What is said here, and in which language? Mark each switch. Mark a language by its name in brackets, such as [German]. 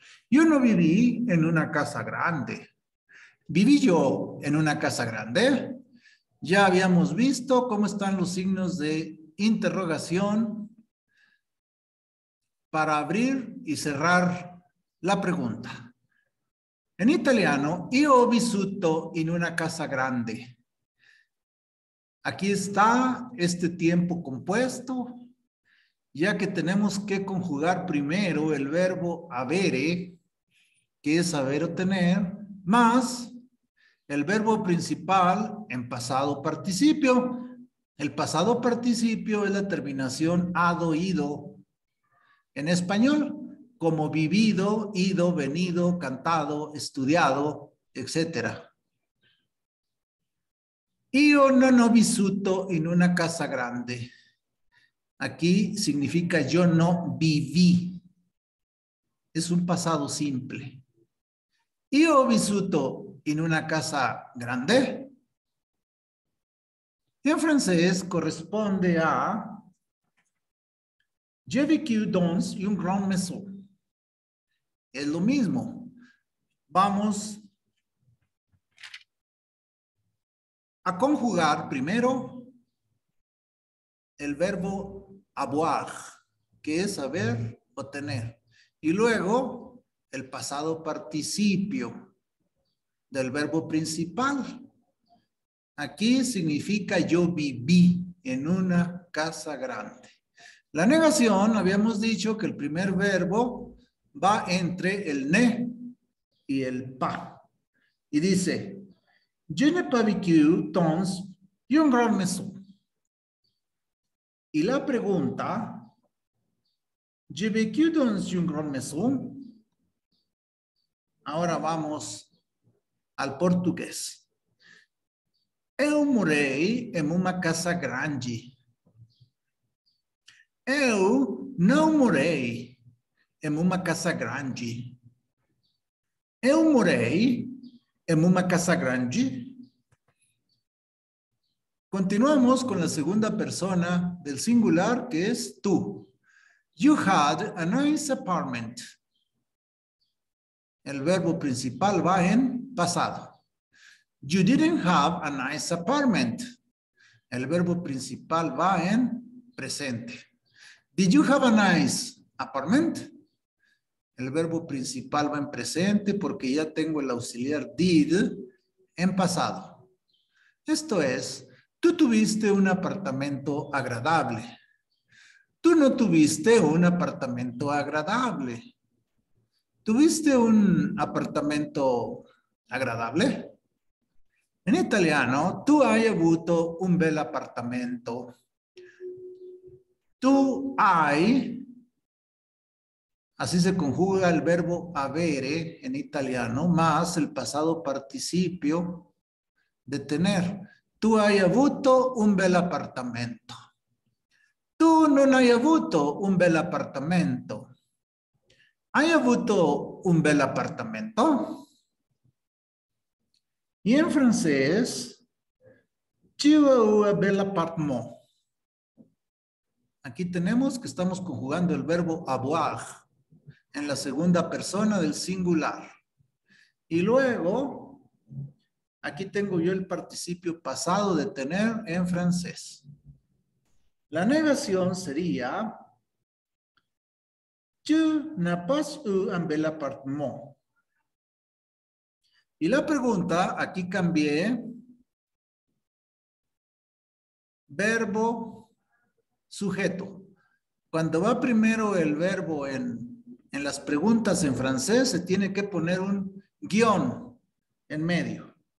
[Spanish] Yo no viví en una casa grande. ¿Viví yo en una casa grande? Ya habíamos visto cómo están los signos de interrogación para abrir y cerrar la pregunta. En italiano, [Italian] io ho vissuto in una casa grande. [Spanish] Aquí está este tiempo compuesto, ya que tenemos que conjugar primero el verbo avere, que es saber o tener, más el verbo principal en pasado participio. El pasado participio es la terminación ado, ido. En español, como vivido, ido, venido, cantado, estudiado, etc. [Italian] Io non ho vissuto in una casa grande. [Spanish] Aquí significa yo no viví. Es un pasado simple. [Italian] Io ho vissuto in una casa grande. [Spanish] En francés corresponde a [French] J'ai vécu dans une grande maison. [Spanish] Es lo mismo. Vamos a conjugar primero el verbo avoir, que es haber o tener, y luego el pasado participio del verbo principal. Aquí significa yo viví en una casa grande. La negación, habíamos dicho que el primer verbo va entre el ne y el pa. Y dice, [French] je n'ai pas vécu dans une grande maison. [Spanish] Y la pregunta, [French] j'ai vécu dans une grande maison. [Spanish] Ahora vamos al portugués. [Portuguese] Eu morei em uma casa grande. Eu não morei em uma casa grande. Eu morei em uma casa grande. Continuamos com a segunda persona do singular, que é tu. [English] You had a nice apartment. [Spanish] El verbo principal va en pasado. [English] You didn't have a nice apartment. [Spanish] El verbo principal va en presente. [English] Did you have a nice apartment? [Spanish] El verbo principal va en presente porque ya tengo el auxiliar did en pasado. Esto es, tú tuviste un apartamento agradable. Tú no tuviste un apartamento agradable. ¿Tuviste un appartamento agradable? En italiano, [Italian] tu hai avuto un bel appartamento. Tu hai, [Spanish] así se conjuga el verbo avere en italiano, más el pasado participio de tener. [Italian] Tu hai avuto un bel appartamento. Tu non hai avuto un bel appartamento. ¿Hai avuto un bel appartamento? [Spanish] Y en francés, [French] tu as un bel appartement. [Spanish] Aquí tenemos que estamos conjugando el verbo avoir en la segunda persona del singular. Y luego, aquí tengo yo el participio pasado de tener en francés. La negación sería, [French] tu n'as pas eu un bel appartement. [Spanish] Y la pregunta, aquí cambié verbo sujeto. Cuando va primero el verbo en las preguntas en francés, se tiene que poner un guión en medio.